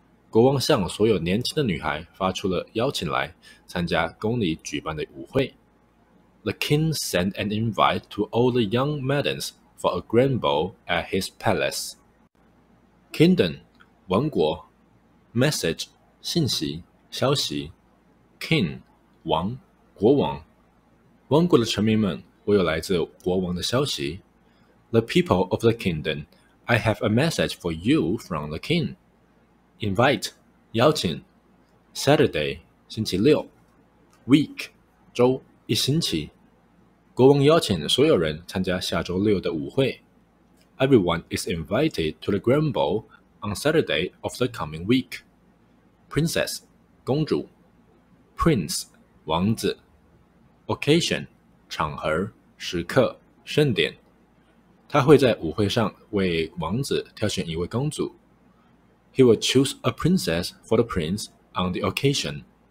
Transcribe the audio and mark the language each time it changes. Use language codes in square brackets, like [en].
[zh] 国王向所有年轻的女孩发出了邀请来参加宫里举办的舞会。 [en] The king sent an invite to all the young maidens,for a grand ball at his palace. Kingdom, 王国 Message, [zh] 信息,消息 [en] King, [zh] 王,国王王国的臣民们,我有来自国王的消息 [en] The people of the kingdom, I have a message for you from the king. [zh] Invite, 邀请 Saturday, 星期六 Week, 周,一星期国王邀请所有人参加下周六的舞会。 [en] Everyone is invited to the grand ball on Saturday of the coming week. [zh] Princess, 公主。Prince, 王子。 Occasion, 场合、时刻、盛典。他会在舞会上为王子挑选一位公主。 [en] He will choose a princess for the prince on the occasion.